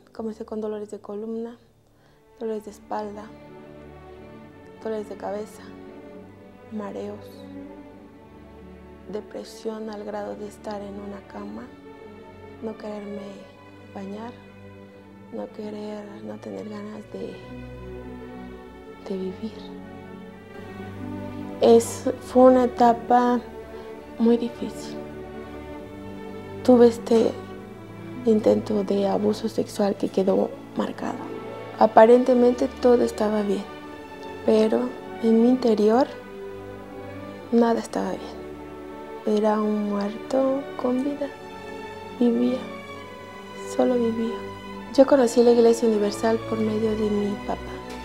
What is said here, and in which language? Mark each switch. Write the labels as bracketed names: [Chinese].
[Spanish] Comencé con dolores de columna, dolores de espalda, dolores de cabeza, mareos, depresión al grado de estar en una cama, no quererme bañar, no tener ganas de vivir. [Portuguese] Foi uma etapa muito difícil. [Spanish] Tuve este intento de abuso sexual que [Portuguese] quedou marcado. Aparentemente, tudo estava bem, mas em meu interior, nada estava bem. Era um morto com vida. Vivia, só vivia. Eu conheci a Igreja Universal por meio de meu papá.